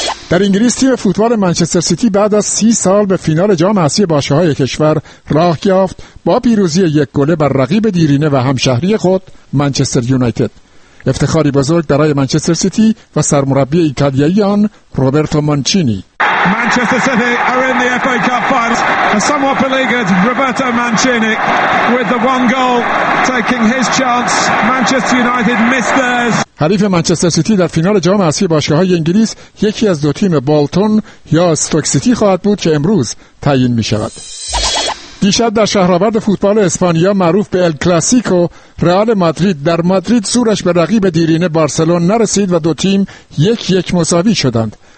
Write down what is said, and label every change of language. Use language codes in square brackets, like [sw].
[fa] در انگلیس تیم فوتبال منچستر سیتی بعد از 30 سال به فینال جام حذفی باشگاه‌های کشور راه یافت با پیروزی 1-1 بر رقیب دیرینه و همشهری خود منچستر یونایتد. افتخاری بزرگ برای منچستر سیتی و سرمربی ایتالیایی آن روبرتو مانچینی. [en] Manchester City are in the FA Cup finals. A somewhat beleaguered Roberto Mancini with the one goal taking his chance. Manchester United missed theirs. [fa] حریف منچستر سیتی در فینال جام حذفی باشگاه‌های انگلیس یکی از دو تیم بولتون یا استوک سیتی خواهد بود که امروز تعیین می‌شود. دیشب در شهرآورد فوتبال اسپانیا معروف به ال کلاسیکو رئال مادرید در مادرید زورش به رقیب دیرینه بارسلون نرسید و دو تیم 1-1 مساوی شدند.